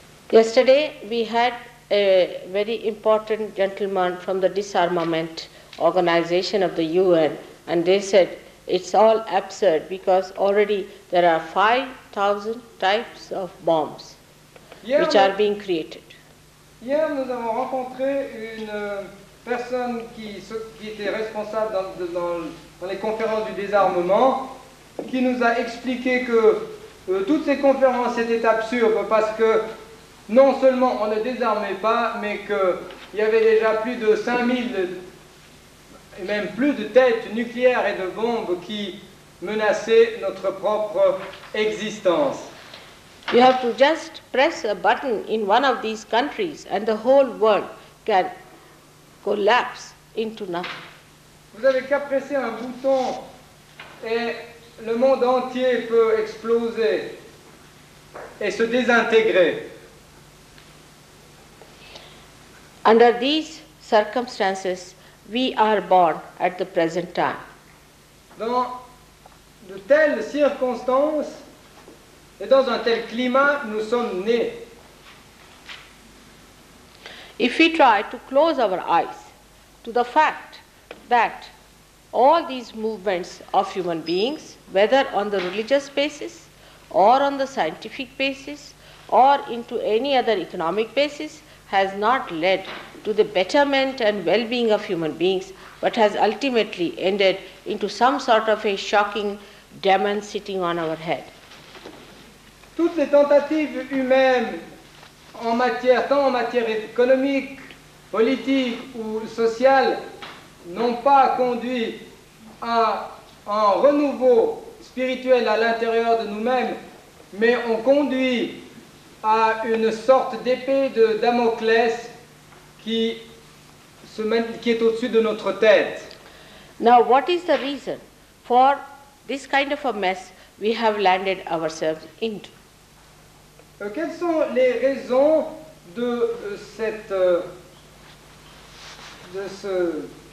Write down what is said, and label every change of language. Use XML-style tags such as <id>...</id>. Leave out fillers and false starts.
<en>Yesterday, we had a very important gentleman from the disarmament organization of the UN, and they said it's all absurd because already there are 5,000 types of bombs which are being created.</en> <fr>Hier, nous avons rencontré une personne qui était responsable dans les conférences du désarmement, qui nous a expliqué que toutes ces conférences étaient absurdes parce que non seulement on ne désarmait pas, mais qu'il y avait déjà plus de 5000 et même plus de têtes nucléaires et de bombes qui menaçaient notre propre existence.</fr> <en>You have to just press a button in one of these countries and the whole world can collapse into nothing.</en> <fr>Vous avez qu'à presser un bouton et le monde entier peut exploser et se désintégrer.</fr> <en>Under these circumstances, we are born at the present time.</en> <fr>Dans de telles circonstances et dans un tel climat, nous sommes nés.</fr> <en>If we try to close our eyes to the fact that all these movements of human beings, whether on the religious basis or on the scientific basis or into any other economic basis, has not led to the betterment and well-being of human beings, but has ultimately ended into some sort of a shocking demon sitting on our head.</en> <fr>Toutes les tentatives humaines en matière, tant en matière économique, politique ou sociale, n'ont pas conduit à un renouveau spirituel à l'intérieur de nous-mêmes, mais ont conduit à une sorte d'épée de Damoclès qui est au-dessus de notre tête.</fr> <en>Now, what is the reason for this kind of a mess we have landed ourselves into?</en> <fr>Quelles sont les raisons de cette de ce</fr>